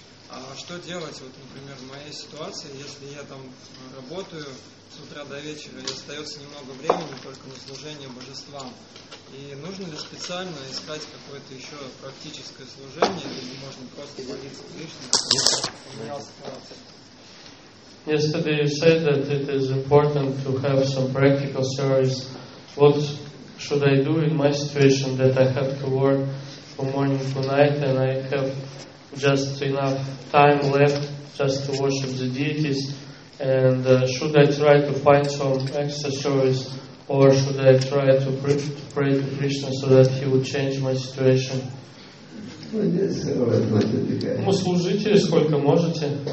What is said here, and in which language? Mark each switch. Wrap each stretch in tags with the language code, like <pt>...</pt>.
<ru>А что делать, вот, например, в моей ситуации, если я там работаю с утра до вечера, и остается немного времени только на служение божествам. И нужно ли специально искать какое-то еще практическое служение, или можно просто молиться Кришне, чтобы поменялась ситуация?</ru> <en>Yesterday you said that it is important to have some practical service. What should I do in my situation that I have to work from morning to night and I have just enough time left just to worship the deities, and should I try to find some extra service or should I try to pray to Krishna so that he would change my situation?</en> <ru>Ну, служите сколько можете.</ru>